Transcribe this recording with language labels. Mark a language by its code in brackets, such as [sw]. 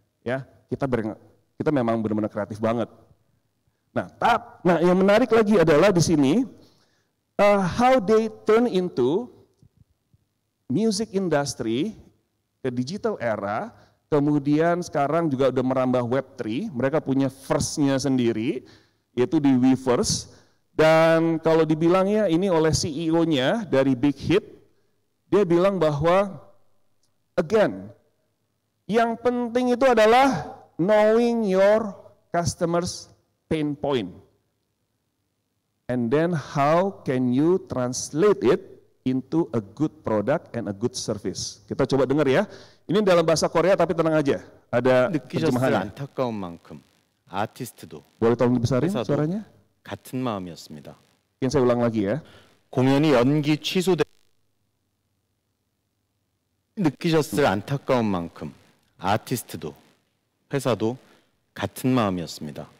[id] Ya, kita memang benar-benar kreatif banget. Nah, yang menarik lagi adalah di sini, [en] how they turn into music industry, [id] ke digital era, kemudian sekarang juga udah merambah web 3, mereka punya first-nya sendiri, yaitu di Weverse. Dan kalau dibilang ya, ini oleh CEO-nya dari Big Hit, dia bilang bahwa, again, yang penting itu adalah [en] knowing your customer's pain point. And then how can you translate it into a good product and a good service. [id] Kita coba dengar ya. Ini dalam bahasa Korea tapi tenang aja. Ada terjemahannya. [ko] 안타까운 만큼 아티스트도 [id] boleh tolong dibesarin suaranya? [ko] 같은 마음이었습니다. 이건 [id] saya ulang lagi ya. [ko] 공연이 연기 취소돼 느끼셨을 안타까운 만큼 아티스트도 회사도 같은 마음이었습니다.